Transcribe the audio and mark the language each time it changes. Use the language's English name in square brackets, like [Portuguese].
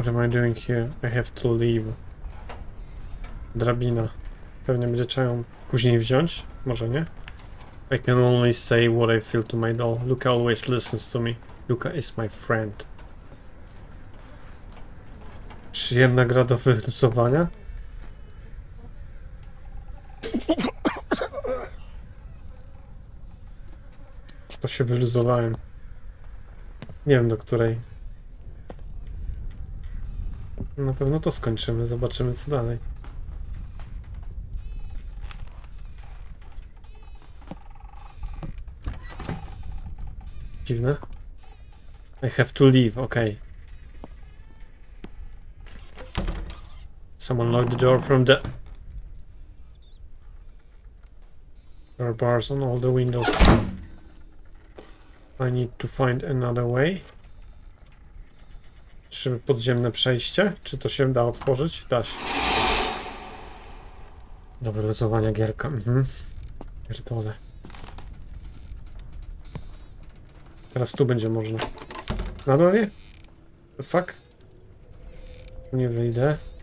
[English] Doing here? I have to leave. [Polish] Drabina. Pewnie będzie trzeba ją później wziąć? Może nie? [English] I can only say what I feel to my doll. Luca always listens to me. Luca is my friend. [Polish] Przyjemna gra do wyluzowania? To się wyluzowałem. Nie wiem do której. Na pewno to skończymy, zobaczymy co dalej. Dziwne. [English] I have to leave, okej. Okay. Someone locked the door from the... There are bars on all the windows. I need to find another way. [Polish] Czy podziemne przejście? Czy to się da otworzyć? Da się. Do wylosowania gierka. Pierdolę. Teraz tu będzie można. Nadal nie? [English] The fuck? [Polish] Tu nie wyjdę.